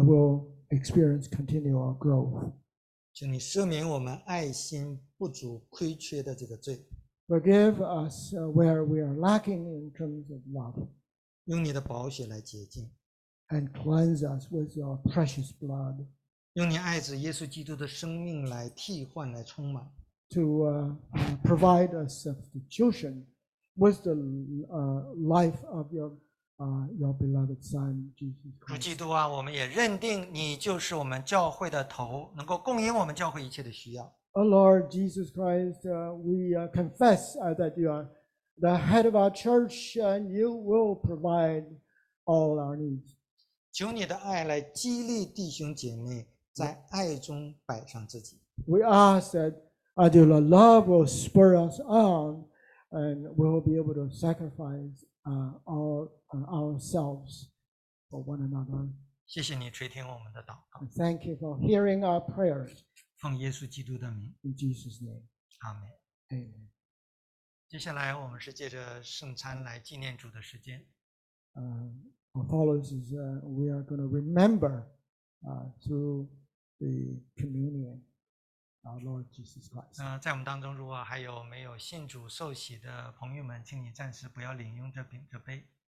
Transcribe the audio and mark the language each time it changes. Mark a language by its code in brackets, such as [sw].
[en] And will experience continual growth. [zh] 请你赦免我们爱心不足、亏缺的这个罪。 [en] Forgive us where we are lacking in terms of love. [zh] 用你的宝血来洁净。 [en] And cleanse us with your precious blood. [zh] 用你爱子耶稣基督的生命来替换、来充满。 [en] To provide a substitution with the life of your beloved Son Jesus Christ. [zh] 主基督啊，我们也认定你就是我们教会的头，能够供应我们教会一切的需要。 [en] Lord Jesus Christ, we confess that you are the head of our church, and you will provide all our needs. [zh] 求你的爱来激励弟兄姐妹在爱中摆上自己。 [en] We ask that until the love will spur us on, and we will be able to sacrifice ourselves for one another. [zh] 谢谢你垂听我们的祷告。 [en] Thank you for hearing our prayers. [zh] 奉耶稣基督的名。 [en] In Jesus' name. Amen. Amen. [zh] 接下来我们是借着圣餐来纪念主的时间。 [en] What follows is we are going to remember through the communion our Lord Jesus Christ. [zh] 在我们当中，如果还有没有信主受洗的朋友们，请你暂时不要领用这饼这杯。